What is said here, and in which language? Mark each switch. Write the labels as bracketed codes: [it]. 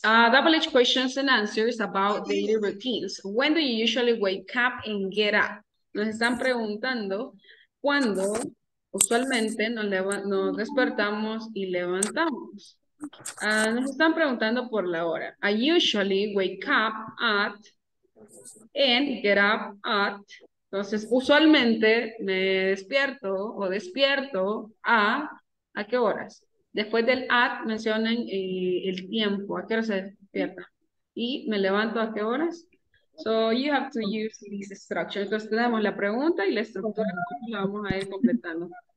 [en] Double-edged questions and answers about daily routines. When do you usually wake up and get up? [es] Nos están preguntando cuándo usualmente nos despertamos y levantamos. Nos están preguntando por la hora. [en] I usually wake up at and get up at. [es] Entonces, usualmente me despierto o despierto ¿a qué horas? Después del at, mencionen el tiempo, a qué hora se despierta. Y me levanto a qué horas. [en] So you have to use this structure. [es] Entonces tenemos la pregunta y la estructura la vamos a ir completando.